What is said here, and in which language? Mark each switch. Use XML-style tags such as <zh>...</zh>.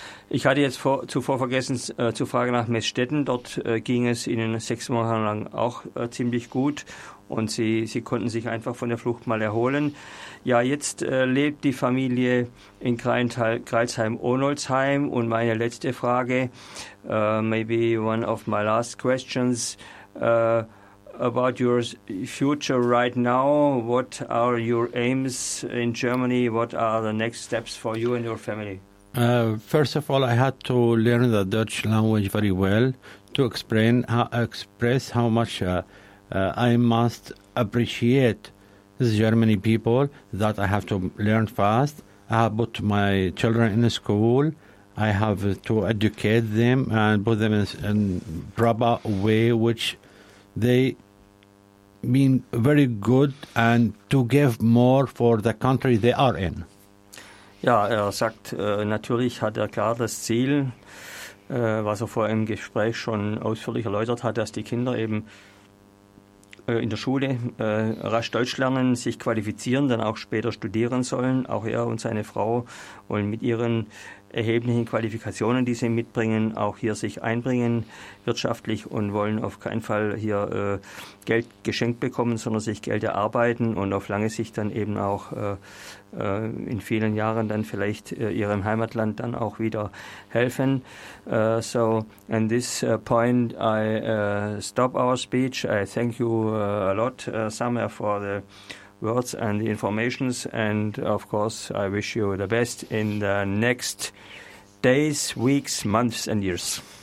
<de>Ich hatte jetzt zuvor vergessen zu fragen nach Meßstetten. Dort ging es ihnen 6 Monate lang auch ziemlich gut, und sie konnten sich einfach von der Flucht mal erholen. Ja, jetzt lebt die Familie in Greilsheim-Onolzheim. Und meine letzte Frage,</de> <en>maybe one of my last questions, about your future right now. What are your aims in Germany? What are the next steps for you and your family? First of all, I had to learn the Dutch language very well to express how much I must appreciate this Germany people, that I have to learn fast. I have put my children in school. I have to educate them and put them in proper way, which they mean very good, and to give more for the country they are in.</en> <de>Ja, er sagt, natürlich hat er klar das Ziel, was er vor im Gespräch schon ausführlich erläutert hat, dass die Kinder eben in der Schule rasch Deutsch lernen, sich qualifizieren, dann auch später studieren sollen. Auch er und seine Frau wollen mit ihren erheblichen Qualifikationen, die sie mitbringen, auch hier sich einbringen wirtschaftlich, und wollen auf keinen Fall hier Geld geschenkt bekommen, sondern sich Geld erarbeiten und auf lange Sicht dann eben auch in vielen Jahren dann vielleicht ihrem Heimatland dann auch wieder helfen.</de> <en>So, at this point, I stop our speech. I thank you a lot, Samer, for the words and the informations, and of course I wish you the best in the next days, weeks, months and years.</en>